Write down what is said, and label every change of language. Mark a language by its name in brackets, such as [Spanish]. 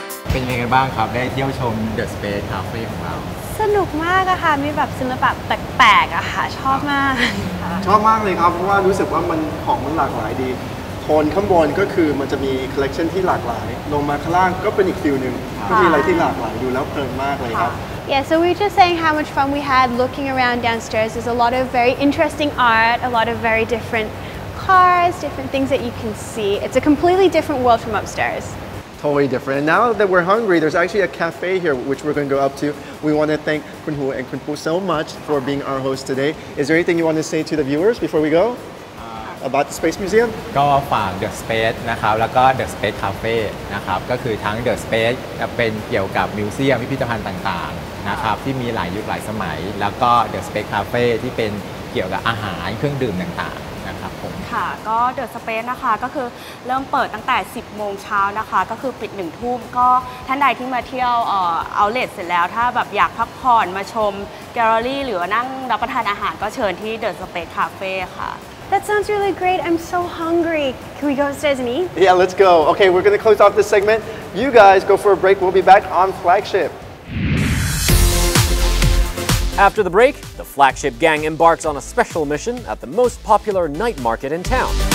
[Thai] เป็นยังไงบ้างครับได้เที่ยวชม The Space Cafe ของเรา สนุกมากอะค่ะมีแบบศิลปะแปลกๆอะค่ะชอบมาก ชอบมากเลยครับเพราะว่ารู้สึกว่ามันของมันหลากหลายดีโทนข้างบนก็คือมันจะมีคอลเลกชันที่หลากหลายลงมาข้างล่างก็เป็นอีกฟิลนึงก็มีอะไรที่หลากหลายดูแล้วเพลินมากเลยครับ [English] Yeah so we're just saying how much fun we had looking around downstairs there's a lot of very interesting art a lot of very different cars different things that you can see it's a completely different world from upstairs Totally different. And now that we're hungry, there's actually a cafe here which we're going to go up to. We want to thank Khun Hu and Khun Phu so much for being our host today. Is there anything you want to say to the viewers before we go about the Space Museum? [Thai] ก็ฝาก The Space นะครับแล้วก็ The Space Cafe นะครับก็คือทั้ง The Space จะเป็นเกี่ยวกับมิวเซียมพิพิธภัณฑ์ต่างๆนะครับที่มีหลายยุคหลายสมัยแล้วก็ The Space Cafe ที่เป็นเกี่ยวกับอาหารเครื่องดื่มต่างๆ ค่ะก็เดอะสเปซนะคะก็คือเริ่มเปิดตั้งแต่10โมงเช้านะคะก็คือปิด1ทุ่มก็ท่านใดที่มาเที่ยวเอาเลทเสร็จแล้วถ้าแบบอยากพักผ่อนมาชมแกลเลอรี่หรือนั่งรับประทานอาหารก็เชิญที่เดอะสเปซคาเฟ่ค่ะ [English] That sounds really great I'm so hungry Can we go upstairs and eat Yeah let's go Okay we're gonna close off this segment You guys go for a break We'll be back on Flagship After the breakThe flagship gang embarks on a special mission at the most popular night market in town.